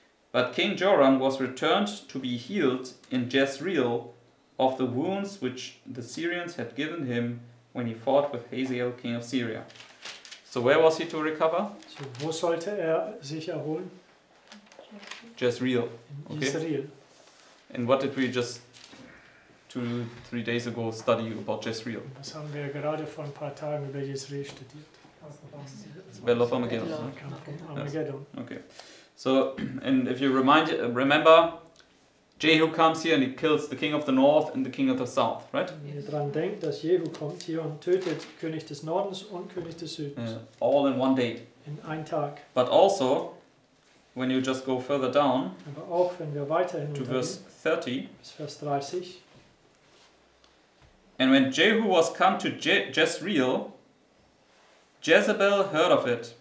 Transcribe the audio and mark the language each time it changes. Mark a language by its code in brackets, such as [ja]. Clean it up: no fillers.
[en] But King Joram was returned to be healed in Jezreel of the wounds which the Syrians had given him when he fought with Hazael, king of Syria. So where was he to recover? [de] So wo sollte er sich erholen? [en] Jezreel. Okay. Jezreel. And what did we just 2-3 days ago study about Jezreel? [de] Das haben wir gerade vor ein paar Tagen über Jezreel studiert. [en] Battle of Armageddon. Armageddon. Yes. Okay. So, and if you remember, Jehu comes here and he kills the king of the north and the king of the south, right? [de] Wenn ihr daran denkt, dass Jehu kommt hier und tötet König des Nordens und König des Südens. [en] Yeah. All in one day. [de] In einem Tag. [en] But also, when you just go further down, [de] aber auch wenn wir weiterhin [en] to verse 30, [de] bis Vers 30, [en] and when Jehu was come to Jezreel, Jezebel heard of it.